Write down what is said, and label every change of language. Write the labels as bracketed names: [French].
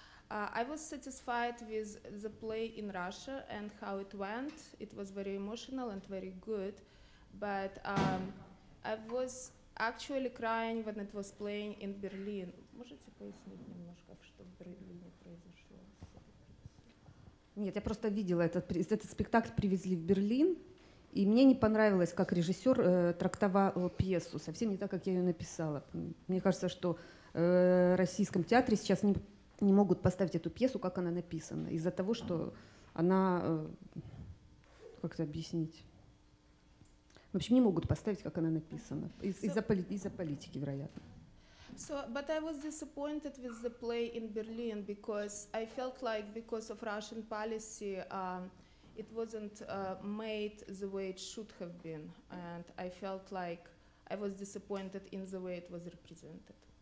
[English] I was satisfied with the play in Russia and how it went. It was very emotional and very good, but I was actually crying when it was playing in Berlin. [Russian] Можете пояснить немножко, что в Берлине произошло? Нет, я просто видела этот спектакль, привезли в Берлин, и мне не понравилось, как режиссер трактовал пьесу, совсем не так, как я ее написала. Мне кажется, что в российском театре сейчас не могут поставить эту пьесу, как она написана, из-за того, что она, как это объяснить, в общем, не могут поставить, как она написана, из-за политики, вероятно. [English] So, but I was disappointed with the play in Berlin, because I felt like because of Russian policy, it wasn't made the way it should have been, and I felt like I was disappointed in the way it was represented.